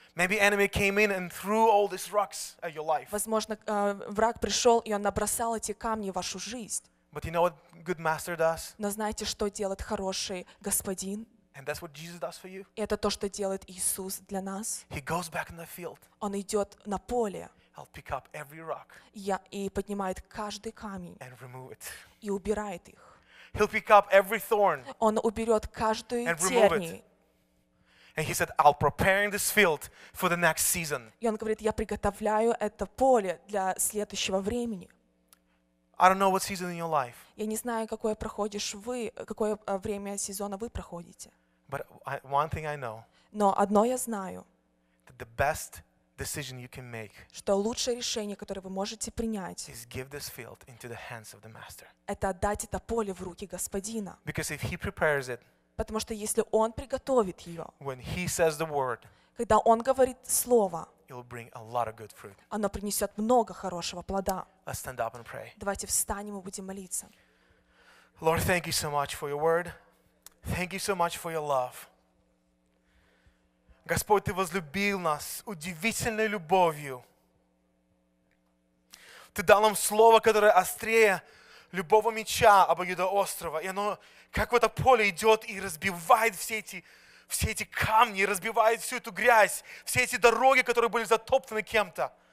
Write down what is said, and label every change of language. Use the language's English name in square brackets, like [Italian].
[English] Maybe enemy came in and threw all these rocks at your life. [Russian] Возможно, враг пришел, и он набросал эти камни в вашу жизнь. [English] But you know what good master does? [Russian] Но знаете, что делает хороший господин? [English] And that's what Jesus does for you. [Russian] Это то, что делает Иисус для нас. [English] He goes back in the field. [Russian] Он идет на поле. [English] He'll pick up every rock. [Russian] И поднимает каждый камень. [English] And remove it. [Russian] И убирает их. [English] He'll pick up every thorn. [Russian] Он уберет каждую тернии. [English] And he said, "I'll prepare this field for the next season." [Russian] И он говорит, я приготовляю это поле для следующего времени. [English] I don't know what season in your life. [Russian] Я не знаю, какое проходишь вы, какое время сезона вы проходите. [English] But one thing I know. [Russian] Но одно я знаю. [English] That the best decision you can make. [Russian] Что лучшее решение, которое вы можете принять. [English] Is give this field into the hands of the master. [Russian] Это отдать это поле в руки господина. [English] Because if he prepares it. [Russian] Потому что если он приготовит ее. [English] When he says the word. [Russian] Когда он говорит слово. [English] It'll bring a lot of good fruit. [Russian] Оно принесет много хорошего плода. [English] Let's stand up and pray. [Russian] Давайте встанем и будем молиться. [English] Lord, thank you so much for your word. Thank you so much for your love. [Russian] Господь, ты возлюбил нас удивительной любовью. Ты дал нам слово, которое острее любого меча обоюдоострого. И оно, как в это поле идет и разбивает все эти камни, разбивает всю эту грязь, все эти дороги, которые были затоптаны кем-то.